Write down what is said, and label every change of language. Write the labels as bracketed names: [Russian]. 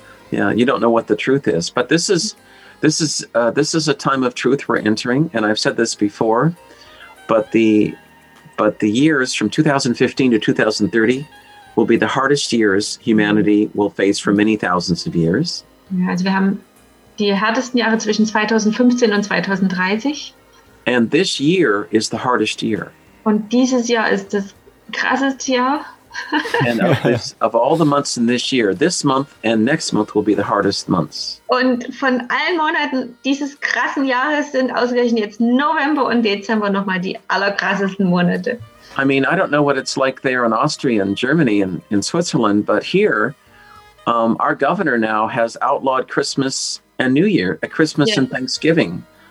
[English] Yeah, you don't know what the truth is. But this is a time of truth we're entering, and I've said this before, but the years from 2015 to 2030 will be the hardest years humanity will face for many thousands of years. [German] Ja, also wir haben die härtesten Jahre zwischen 2015 und 2030. [English] And this year is the hardest year. [German] Und dieses Jahr ist das krasseste Jahr. [English] And of all the months in this year, this month and next month will be the hardest months. [German] Und von allen Monaten dieses krassen Jahres sind ausgerechnet jetzt November und Dezember nochmal die allerkrassesten Monate. [English] I mean, I don't know what it's like there in Austria and Germany and in Switzerland, but here, our governor now has outlawed Christmas and New Year, Christmas yes. and Thanksgiving.